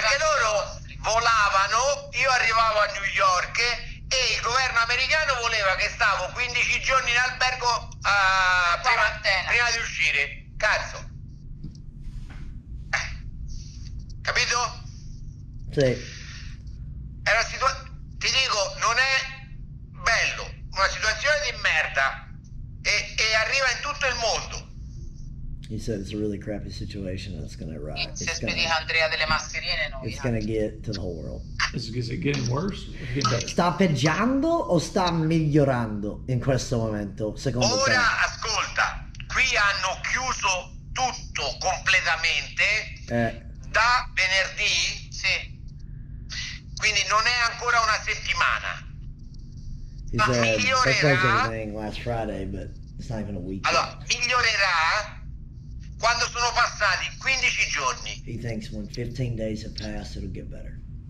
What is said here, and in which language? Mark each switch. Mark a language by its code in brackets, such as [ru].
[it] Perché loro volavano, io arrivavo a New York e il governo americano voleva che stavo 15 giorni in albergo prima di uscire. Cazzo. Capito? Sì. Era ti dico, non è bello. Una situazione di merda e arriva in tutto il mondo. [en] He said it's a really crappy situation that's gonna arrive. [it] Se spedisce Andrea delle mascherine, no. [en] It's gonna get to the whole world. Is it getting worse? [it] Sta peggiorando o sta migliorando in questo momento? Secondo te? Ora ascolta, qui hanno chiuso tutto completamente da venerdì. Sì. Quindi non è ancora una settimana. [en] He said, they closed everything last Friday, but it's not even a week. [it] Allora, migliorerà quando sono passati 15 giorni. [en] He thinks when 15 days have passed, it'll get better.